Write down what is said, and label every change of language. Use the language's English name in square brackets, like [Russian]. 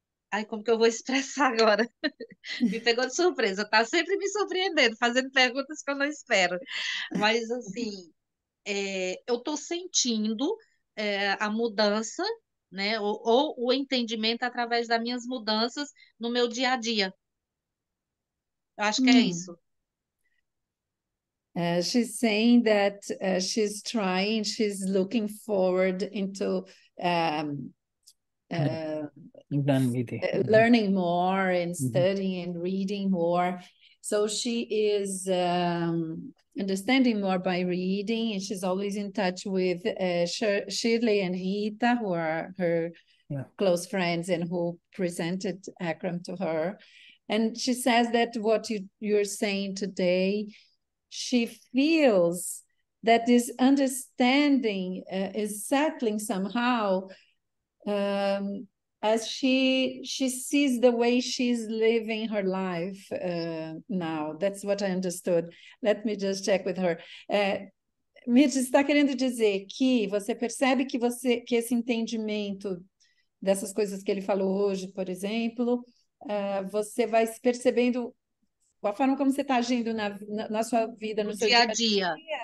[Portuguese] Ai, como que eu vou expressar agora? Me pegou de surpresa, tá sempre me surpreendendo, fazendo perguntas que eu não espero. Mas assim, eu tô sentindo a mudança. Né? Ou o entendimento através das minhas mudanças no meu dia a dia. Eu acho que é isso. [English] She's saying that she's trying, she's looking forward into learning more and studying and reading more. So she is understanding more by reading, and she's always in touch with Shirley and Rita, who are her close friends and who presented Akram to her. And she says that what you're saying today, she feels that this understanding is settling somehow as she sees the way she's living her life now. That's what I understood. Let me just check with her. [Portuguese] Mirtes está querendo dizer que você percebe que você que esse entendimento dessas coisas que ele falou hoje, por exemplo, você vai se percebendo a forma como você está agindo na sua vida, no seu dia a dia.